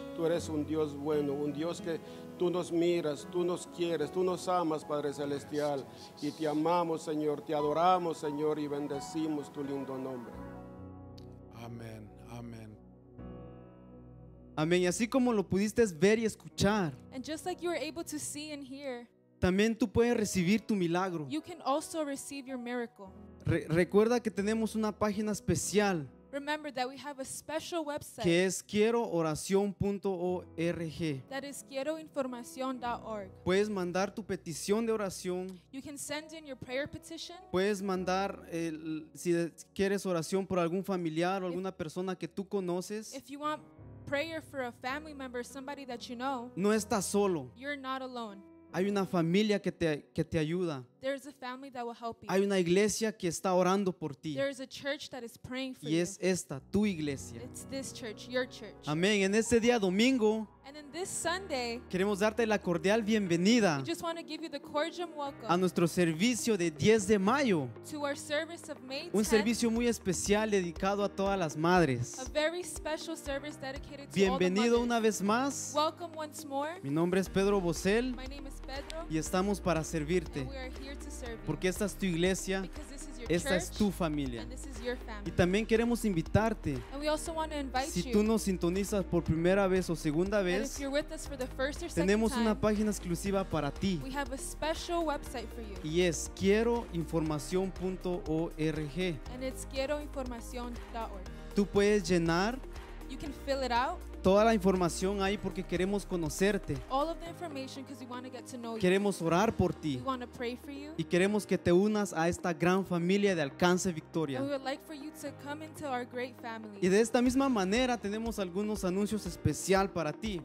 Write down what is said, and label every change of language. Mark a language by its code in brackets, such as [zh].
[es] Tú eres un Dios bueno, un Dios que tú nos miras, tú nos quieres, tú nos amas, Padre Celestial. Y te amamos, Señor, te adoramos, Señor, y bendecimos tu lindo nombre. Amén, amén. Amén, y así como lo pudiste ver y escuchar. [en] And just like you were able to see and hear. [es] También tú puedes recibir tu milagro. [en] You can also receive your miracle. [es] Recuerda que tenemos una página especial. [en] Remember that we have a special website. [es] Que es quierooracion.org. [en] That is quierooracion.org. [es] Puedes mandar tu petición de oración. [en] You can send in your prayer petition. [es] Puedes mandar si quieres oración por algún familiar o alguna persona que tú conoces. [en] If you want prayer for a family member, somebody that you know. [es] No estás solo. [en] You're not alone. [es] Hay una familia que te ayuda. [en] There's a family that will help you. [es] Hay una iglesia que está orando por ti. [en] There's a church that is praying for [es] you. Y es esta, tu iglesia. [en] It's this church, your church. [es] Amén. En este día domingo. [en] And in this Sunday. [es] Queremos darte la cordial bienvenida. [en] We just want to give you the cordial welcome. [es] A nuestro servicio de 10 de mayo. [en] To our service of May 10th. [es] Un servicio muy especial dedicado a todas las madres. [en] A very special service dedicated to all the mothers. [es] Bienvenido una vez más. [en] Welcome once more. [es] Mi nombre es Pedro Bosel. [en] My name is Pedro. [es] Y estamos para servirte. [en] And we are here to serve you. [es] Porque esta es tu iglesia. [en] Because this is your [es] esta [en] church. [es] Esta es tu familia. [en] And this is your family. [es] Y también queremos invitarte. [en] And we also want to invite [es] si [en] you. [es] Si tú nos sintonizas por primera vez o segunda vez. [en] And if you're with us for the first or second time, [es] una página exclusiva para ti. [en] We have a special website for you. [es] Y es quierooinformacion.org. [en] And it's quierooinformacion.org. [es] Tú puedes llenar. [en] You can fill it out. [es] Toda la información ahí porque queremos conocerte. [en] All of the information because we want to get to know you. [es] Queremos orar por ti. [en] We want to pray for you. [es] Y queremos que te unas a esta gran familia de Alcance Victoria. [en] And we would like for you to come into our great family. [es] Y de esta misma manera tenemos algunos anuncios especial para ti.